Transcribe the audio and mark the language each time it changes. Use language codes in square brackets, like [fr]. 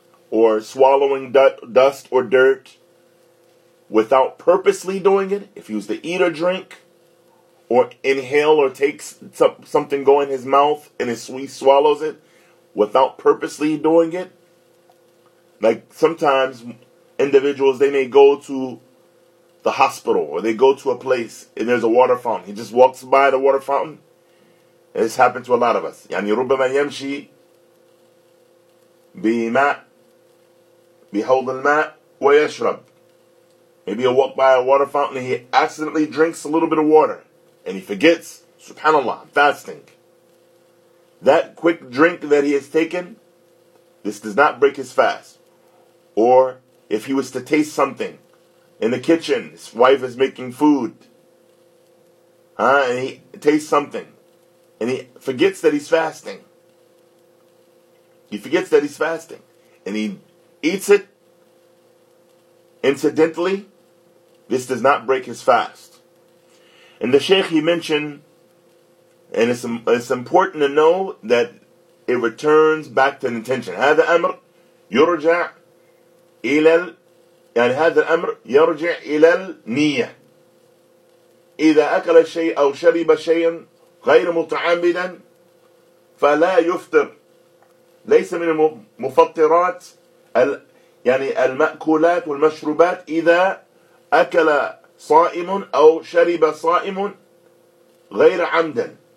[en] or swallowing dust or dirt without purposely doing it, if he was to eat or drink or inhale or take something go in his mouth and he swallows it without purposely doing it, like sometimes individuals, they may go to the hospital or they go to a place and there's a water fountain. He just walks by the water fountain. And this happened to a lot of us. [ar] يعني ربما يمشي بماء بحوض الماء ويشرب. [en] Maybe he'll walk by a water fountain and he accidentally drinks a little bit of water and he forgets, subhanAllah, I'm fasting. That quick drink that he has taken, this does not break his fast. Or if he was to taste something in the kitchen, his wife is making food, and he tastes something, and he forgets that he's fasting. He forgets that he's fasting, and he eats it. Incidentally, this does not break his fast. And the Sheikh, he mentioned, and it's important to know that it returns back to an intention. [ar] هذا أمر يرجع إلى يعني هذا الأمر يرجع إلى النية. إذا أكل شيء أو شرب شيء غير متعمدا فلا يفطر. ليس من المفطرات يعني المأكولات والمشروبات إذا أكل صائم أو شرب صائم غير عمدا.